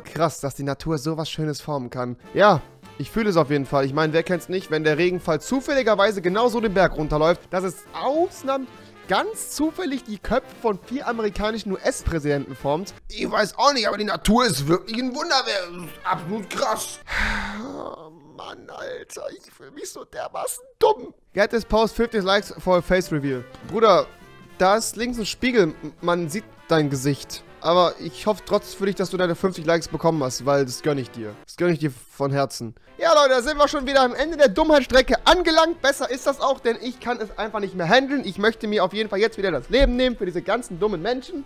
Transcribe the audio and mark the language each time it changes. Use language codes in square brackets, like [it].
[de] Krass, dass die Natur sowas Schönes formen kann. Ja. Ich fühle es auf jeden Fall. Ich meine, wer kennt's nicht, wenn der Regenfall zufälligerweise genauso den Berg runterläuft, dass es ausnahmsweise ganz zufällig die Köpfe von 4 amerikanischen US-Präsidenten formt. Ich weiß auch nicht, aber die Natur ist wirklich ein Wunderwerk. Absolut krass. Mann, Alter, ich fühle mich so dermaßen dumm. [en] Get this post 50 likes for a face reveal. [de] Bruder, da ist links ein Spiegel. Man sieht dein Gesicht. Aber ich hoffe trotzdem für dich, dass du deine 50 Likes bekommen hast, weil das gönne ich dir. Das gönne ich dir von Herzen. Ja, Leute, da sind wir schon wieder am Ende der Dummheitsstrecke angelangt. Besser ist das auch, denn ich kann es einfach nicht mehr handeln. Ich möchte mir auf jeden Fall jetzt wieder das Leben nehmen für diese ganzen dummen Menschen.